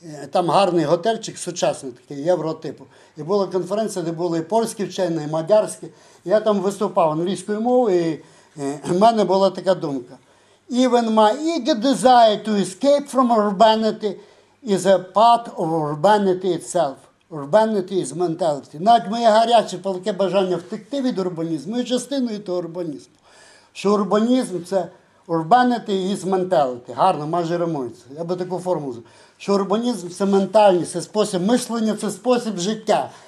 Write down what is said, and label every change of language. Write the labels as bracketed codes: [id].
[uk] Там гарний готельчик, сучасний такий, євротипу. І була конференція, де були і польські вчені, і мадярські. Я там виступав англійською мовою, і в мене була така думка. [en] Even my eager desire to escape from urbanity is a part of urbanity itself. Urbanity is mentality. [uk] Навіть моє гаряче, палке бажання втекти від урбанізму, і частиною того урбанізму. Що урбанізм – це [en] urbanity is mentality. [uk] Гарно, майже римується. Я би таку форму зробив. Що урбанізм – це ментальність, це спосіб мислення, це спосіб життя.